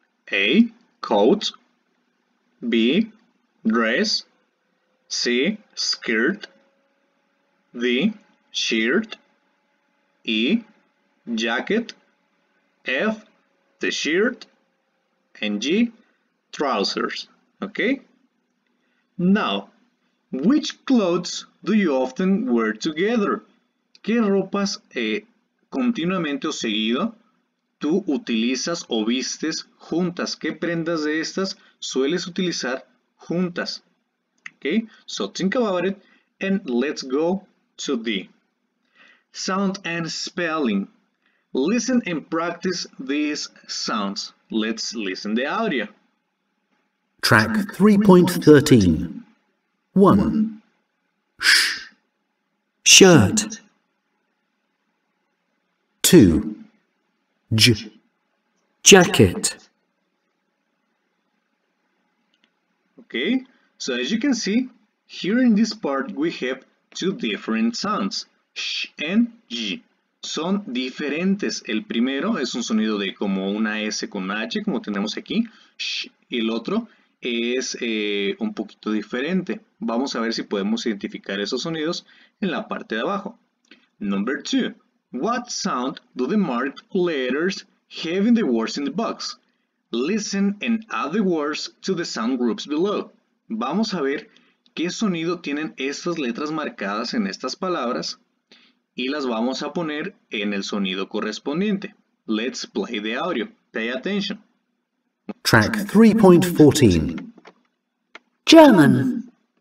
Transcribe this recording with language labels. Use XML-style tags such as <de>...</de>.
<en>A. Coat. B. Dress. C. Skirt. D. Shirt. E. Jacket. F. The shirt. And G. Trousers. Okay? Now, which clothes do you often wear together?</en> <es>¿Qué ropas continuamente o seguido tú utilizas o vistes juntas? ¿Qué prendas de estas sueles utilizar juntas?</es> <en>Okay, so think about it and let's go to D. Sound and spelling. Listen and practice these sounds. Let's listen the audio. Track 3.13. 1. Sh. Shirt. 2. J. Jacket. Okay, so as you can see, here in this part we have two different sounds, sh and g.</en> <es>Son diferentes. El primero es un sonido de como una S con H, como tenemos aquí, sh, y el otro es un poquito diferente. Vamos a ver si podemos identificar esos sonidos en la parte de abajo.</es> <en>Number two. What sound do the marked letters have in the words in the box? Listen and add the words to the sound groups below.</en> <es>Vamos a ver qué sonido tienen estas letras marcadas en estas palabras y las vamos a poner en el sonido correspondiente.</es> <en>Let's play the audio. Pay attention. Track 3.14. German.</en>